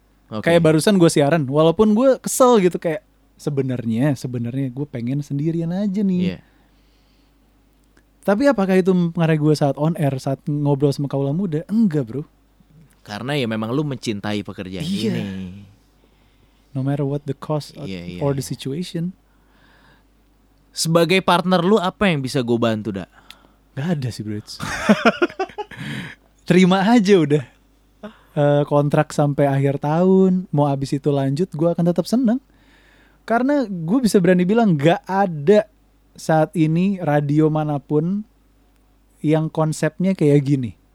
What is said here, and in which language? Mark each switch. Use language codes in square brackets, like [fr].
[id] Okay. Kayak barusan gue siaran, walaupun gue kesel gitu kayak sebenarnya gue pengen sendirian aja nih. Tapi apakah itu mengarah gue saat on air, saat ngobrol sama kaula muda? Enggak, bro. Karena ya memang lu mencintai pekerjaan ini. [en] No matter what the cost or the situation. [id] Sebagai partner lu, apa yang bisa gue bantu, Da? Gak ada sih, bro. Terima aja udah. Kontrak sampai akhir tahun, mau abis itu lanjut, gue akan tetap seneng. Karena gue bisa berani bilang gak ada saat ini radio manapun yang konsepnya kayak gini.